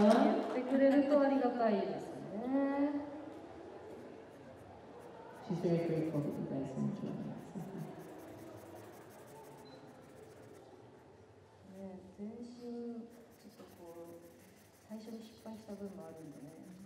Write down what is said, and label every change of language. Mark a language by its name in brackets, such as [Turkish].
[Japanese] やってくれるとありがたいですね。 [English] She's very grateful that you guys enjoy it. [Japanese] 全身、ちょっとこう、最初に失敗した分もあるんでね。